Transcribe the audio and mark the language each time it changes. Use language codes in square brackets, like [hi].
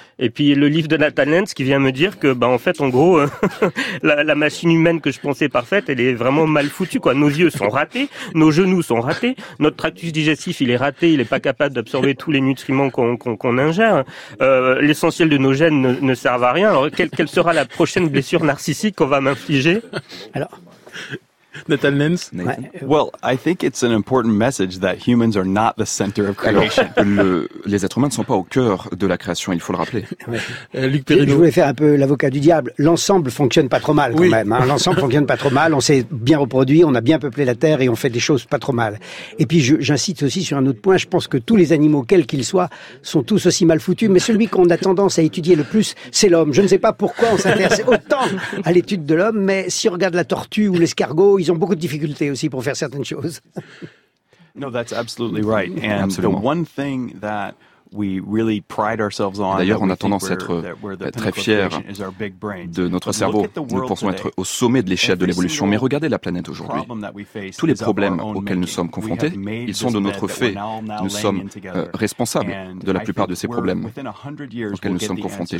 [fr] Et puis le livre de Nathan Lens qui vient me dire que, la machine humaine que je pensais parfaite, elle est vraiment mal foutue, quoi. Nos yeux sont ratés, nos genoux sont ratés, notre tractus digestif, il est raté, il n'est pas capable d'absorber tous les nutriments qu'on ingère. L'essentiel de nos gènes ne sert à rien. Alors, quelle sera la prochaine blessure narcissique qu'on va m'infliger? Alors... Nathan Lens. [en] Well, I think it's an important message that humans are not the center of creation. [fr] Alors, les êtres humains ne sont pas au cœur de la création, il faut le rappeler. Luc Perrineau. Je voulais faire un peu l'avocat du diable. L'ensemble fonctionne pas trop mal quand même. Hein. L'ensemble fonctionne pas trop mal. On s'est bien reproduit, on a bien peuplé la Terre et on fait des choses pas trop mal. Et puis j'insiste aussi sur un autre point. Je pense que tous les animaux, quels qu'ils soient, sont tous aussi mal foutus. Mais celui qu'on a tendance à étudier le plus, c'est l'homme. Je ne sais pas pourquoi on s'intéresse autant à l'étude de l'homme, mais si on regarde la tortue ou l'escargot, ils ont beaucoup de difficultés aussi pour faire certaines choses. [en] No, that's absolutely right. And the one thing that we really pride ourselves on. [fr] D'ailleurs, on a tendance à être très fiers de notre cerveau. Nous pensons être au sommet de l'échelle de l'évolution. Mais regardez la planète aujourd'hui. Tous les problèmes auxquels nous sommes confrontés, ils sont de notre fait. Nous sommes responsables de la plupart de ces problèmes auxquels nous sommes confrontés.